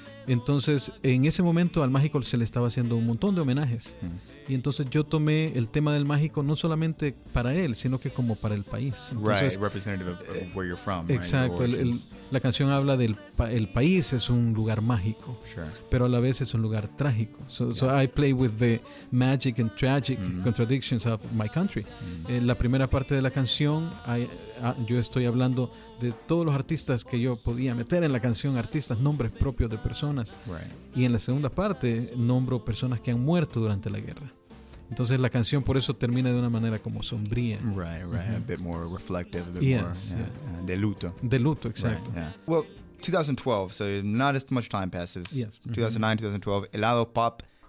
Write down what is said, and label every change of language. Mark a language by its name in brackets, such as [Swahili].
[Spanish] Entonces, en ese momento, al Mágico se le estaba haciendo un montón de homenajes. Hmm. Y entonces yo tomé el tema del Mágico no solamente para él, sino que como para el país. Entonces, [English] right, representative of where you're from. [Spanish] Exacto. [English] Right? [Spanish] La canción habla del el país es un lugar mágico, [English] sure. [Spanish] Pero a la vez es un lugar trágico. [English] So I play with the magic and tragic contradictions of my country. Mm-hmm. [Spanish] En la primera parte de la canción, yo estoy hablando de todos los artistas que yo podía meter en la canción, artistas, nombres propios de personas. [English] Right. [Spanish] Y en la segunda parte, nombro personas que han muerto durante la guerra. Entonces la canción por eso termina de una manera como sombría. [English] Right, mm-hmm. A bit more reflective, a bit [Spanish] de luto. De luto, exacto. [English] Right, yeah. Well, 2012, so not as much time passes. Yes. 2009, 2012, Helado Pop.